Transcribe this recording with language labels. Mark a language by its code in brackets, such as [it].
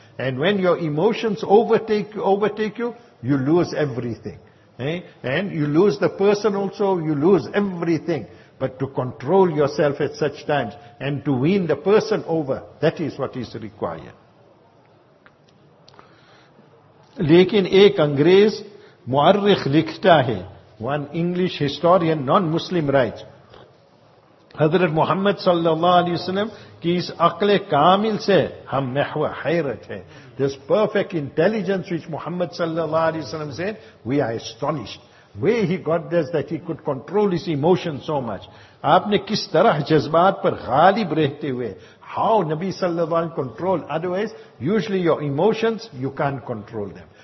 [en] And when your emotions overtake you, you lose everything. Eh? And you lose the person also, you lose everything. But to control yourself at such times and to win the person over, that is what is required. [ur] لیکن ایک انگریز مورخ لکھتا ہے. [en] One English historian, non-Muslim, writes. [ur] حضرت محمد صلی اللہ علیہ وسلم کی اس عقل کامل سے ہم محو حیرت ہے. [en] This perfect intelligence which Muhammad صلی اللہ علیہ وسلم said, we are astonished. way he got this, that he could control his emotions so much. [ur] Aapne kis tarah jazbaat par ghalib rehte hue, [en] how Nabi sallallahu alaihi wasallam controlled. Otherwise, usually your emotions, you can't control them.